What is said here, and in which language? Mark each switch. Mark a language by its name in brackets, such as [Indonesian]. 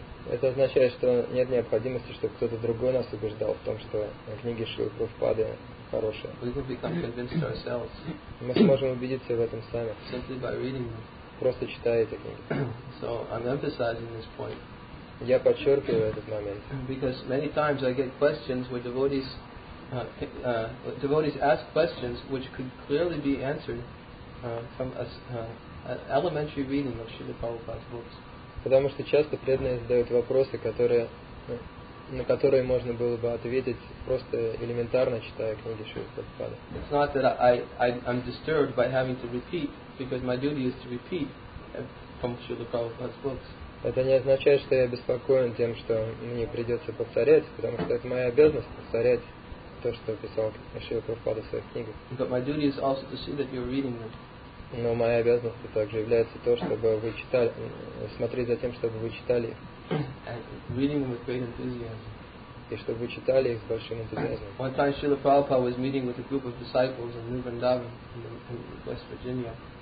[Russian] Это означает, что нет необходимости, чтобы кто-то другой нас убеждал в том, что книги Шрилы Прабхупады хорошие. [English] We can become convinced ourselves. [Russian] Мы сможем убедиться в этом сами. [English] Simply by reading them. [Russian] Просто читая эти книги. [English] So I'm emphasizing this point. [Russian] Я подчеркиваю этот момент. [English] Because many times I get questions where devotees ask questions which could clearly be answered from an elementary reading of Srila Prabhupada's books. [Russian] Потому что часто преданные задают вопросы, на которые можно было бы ответить просто элементарно, читая книги Шрилы Прабхупады. [English] It's not that I'm disturbed by having to repeat, because my duty is to repeat from Srila Prabhupada's books. [Russian] Это не означает, что я беспокоен тем, что мне придется повторять, потому что это моя обязанность повторять то, что писал Шрила Прабхупада в своих книгах. [English] But my duty is also to see that you're reading them. [Russian] Но моя обязанность также является то, чтобы вы читали, смотреть за тем, чтобы вы читали их. [English] Reading them with great enthusiasm. [Russian] И чтобы вы читали их с большим энтузиазмом. [English] One time Srila Prabhupada was meeting with a group of disciples in New Vrindavan in West Virginia.